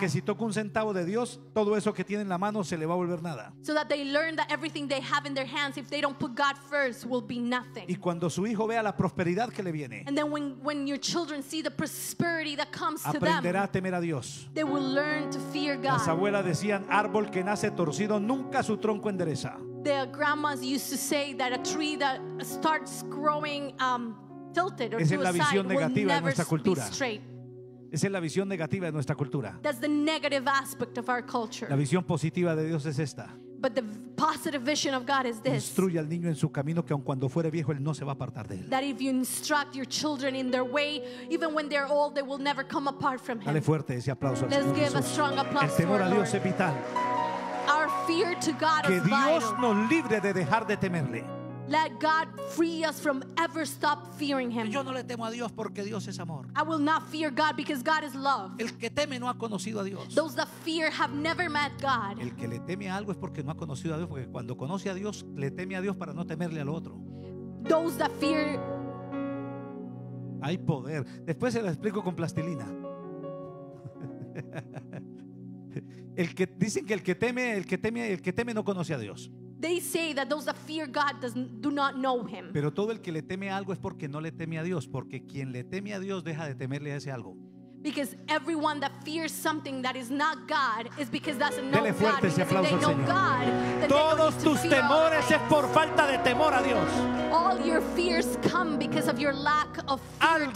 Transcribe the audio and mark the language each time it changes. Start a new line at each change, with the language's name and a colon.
Spanish: Que si toca un centavo de Dios, todo eso que tiene en la mano se le va a volver nada.
English: So that they learn that everything they have in their hands, if they don't put God first, will be nothing.
Spanish: Y cuando su hijo vea la prosperidad que le viene,
English: and then when your children see the prosperity that comes to them,
Spanish: aprenderá a temer a Dios.
English: They will learn to fear God.
Spanish: Las abuelas decían, árbol que nace torcido nunca su tronco endereza.
English: The grandmas used to say that a tree that starts growing tilted or
Spanish: esa es la visión
English: aside,
Spanish: negativa
English: will
Spanish: de nuestra cultura. Esa es la visión negativa de nuestra cultura.
English: That's the negative aspect of our culture.
Spanish: La visión positiva de Dios es esta.
English: But the positive vision of God is this.
Spanish: Instruye al niño en su camino que aun cuando fuere viejo él no se va a apartar de él.
English: That if you instruct your children in their way, even when they're old, they will never come apart from him.
Spanish: Dale fuerte ese aplauso.
English: Let's give a strong applause.
Spanish: El temor a Dios es vital.
English: Our fear to God
Spanish: que
English: is vital.
Spanish: Que Dios nos libre de dejar de temerle.
English: Let God free us from ever stop fearing him.
Spanish: Yo no le temo a Dios porque Dios es amor.
English: I will not fear God because God is love.
Spanish: El que teme no ha conocido a Dios.
English: Those that fear have never met God.
Spanish: El que le teme a algo es porque no ha conocido a Dios, porque cuando conoce a Dios le teme a Dios para no temerle al otro.
English: Those that fear.
Spanish: Hay poder. Después se lo explico con plastilina. El que dicen que el que teme no conoce a Dios.
English: They say that those that fear God do not know him.
Spanish: Pero todo el que le teme a algo es porque no le teme a Dios, porque quien le teme a Dios deja de temerle a ese algo.
English: Because everyone that fears something that is not God is because doesn't know God.
Spanish: Dele fuerte ese aplauso al Señor. Todos tus temores es por falta de temor a Dios.
English: All your fears come because of your lack of fear to God.